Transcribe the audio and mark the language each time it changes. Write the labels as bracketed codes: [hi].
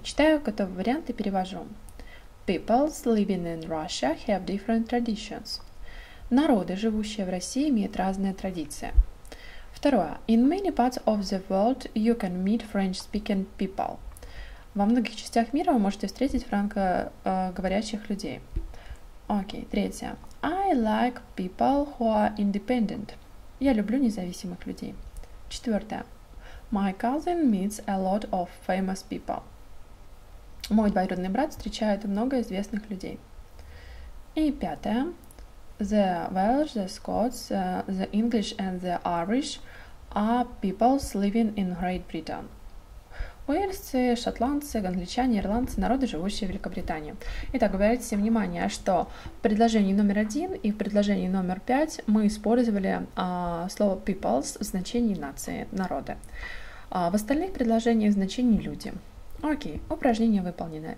[ru] Читаю готовый вариант и перевожу. [en] Peoples living in Russia have different traditions. [ru] Народы, живущие в России, имеют разные традиции. Второе. [en] In many parts of the world you can meet French-speaking people. [ru] Во многих частях мира вы можете встретить франко-говорящих людей. Окей. Третье. [en] I like people who are independent. [ru] Я люблю независимых людей. Четвертое. [en] My cousin meets a lot of famous people. [ru] Мой двоюродный брат встречает много известных людей. И пятое. [en] The Welsh, the Scots, the English and the Irish are peoples living in Great Britain. [ru] Уэльсцы, шотландцы, англичане, ирландцы – народы, живущие в Великобритании. Итак, обратите всем внимание, что в предложении номер один и в предложении номер пять мы использовали слово peoples в значении нации, народы. В остальных предложениях в значении люди. Окей, упражнение выполнено.